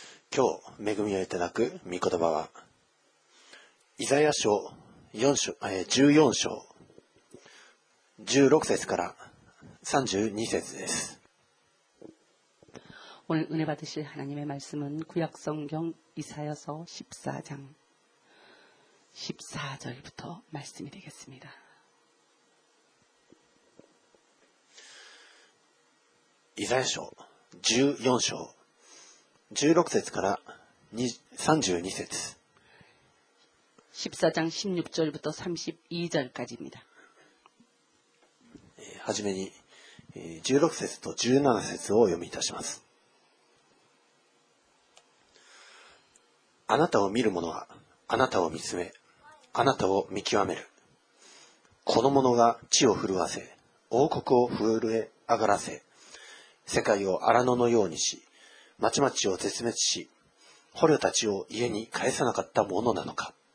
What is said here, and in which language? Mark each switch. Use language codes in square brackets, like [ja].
[ja] 今日恵みをいただく御言葉はイザヤ書14章16節から32節です。 [ko] 오늘 은혜 받으실 하나님의 말씀은 구약 성경 이사야서 14장 14절부터 말씀이 되겠습니다. 이사야서 14장 16절부터 32절. 14장 16절부터 32절까지입니다. 하지매니 16절부터 17절을 [ja] 読みいたします。あなたを見る者は、あなたを見つめ、あなたを見極める。この者が地を震わせ、王国を震え上がらせ、世界を荒野のようにし、町々を絶滅し、捕虜たちを家に返さなかった者なのか。